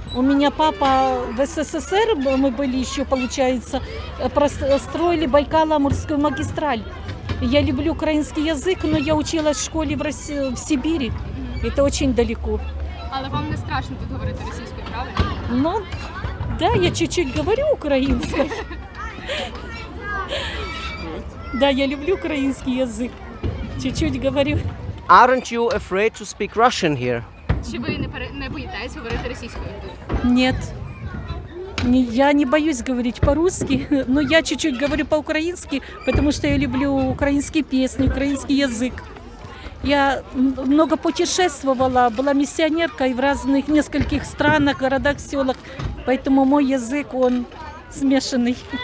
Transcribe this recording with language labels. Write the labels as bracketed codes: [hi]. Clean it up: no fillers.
[ru] У меня папа в СССР, мы были еще, получается, строили Байкало-Амурскую магистраль. Я люблю украинский язык, но я училась в школе в Сибири. Mm-hmm. Это очень далеко. [uk] Але вам не страшно тут говорити російською, правильно? [ru] Ну, да, я чуть-чуть говорю українською. Да, я люблю украинский язык. Чуть-чуть говорю. [en] Aren't you afraid to speak Russian here? [uk] Чи ви не боїтесь говорити російською? [ru] Нет. Я не боюсь говорить по-русски, но я чуть-чуть говорю по-украински, потому что я люблю украинские песни, украинский язык. Я много путешествовала, была миссионеркой в разных нескольких странах, городах, селах, поэтому мой язык, он смешанный.